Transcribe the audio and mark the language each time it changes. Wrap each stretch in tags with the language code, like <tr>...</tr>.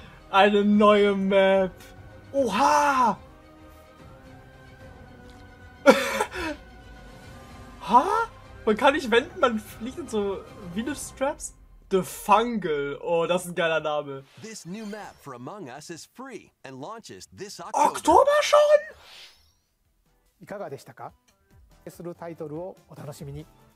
<de>Eine neue Map. Oha! Ha? Man kann nicht wenden, man fliegt in so Venus-Straps? The Fungal. Oh, das ist ein geiler Name.</de> <en>This new map for Among Us is free and launches this October.</en> <de>Oktober schon?</de> <ja>いかがでしたか? Esするタイトルをお楽しみに.</ja>